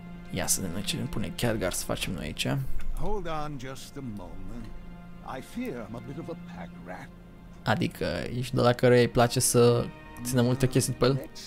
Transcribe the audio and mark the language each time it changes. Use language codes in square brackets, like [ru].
[ro] Ia să vedem ce ne pune Khadgar să facem noi aici. [en] Hold on just a moment. I fear I'm a bit of a pack rat. [ro] Adică ești de la care îi place să țină multe chestii pe el?